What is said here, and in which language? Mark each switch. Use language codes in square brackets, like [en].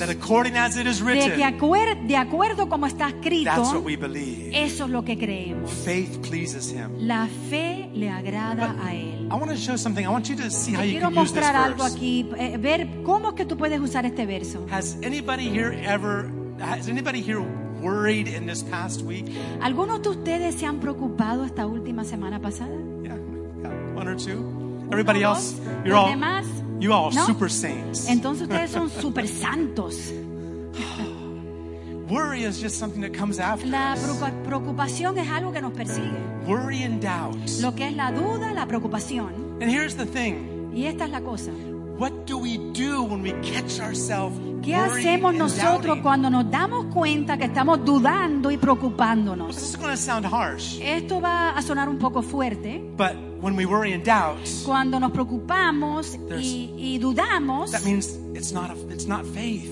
[en] That according as it is written. [es] De acuerdo como está escrito. [en] That's what we believe. [es] Eso es lo que creemos. [en] Faith pleases him. [es] La fe le agrada a él. [en] I want to show something. I want you to see how [es] te [en] you [es] quiero [en] can [es] mostrar [en] use this [es] algo [en] verse. [es] Aquí, ver cómo es que tú puedes usar este verso. [en] Has anybody here worried in this past week? [es] ¿Algunos de ustedes se han preocupado esta última semana pasada? [en] Yeah. One or two. Everybody else, you're [es] los [en] all [es] demás, [en] you all [es] no? [en] Super saints. [es] Entonces ustedes son super santos. [en] Worry is just something that comes after [es] la preocupación [en] us. [es] Es algo que nos persigue. [en] Worry and doubt. [es] Lo que es la duda, la preocupación. [en] And here's the thing. [es] Y esta es la cosa. [en] What do we do when we catch ourselves worrying? [es] ¿Qué hacemos nosotros cuando nos damos cuenta que estamos dudando y preocupándonos? [en] This is going to sound harsh. [es] Esto va a sonar un poco fuerte. [en] But when we worry and doubt, [es] cuando nos preocupamos y dudamos, [en] that means it's not faith.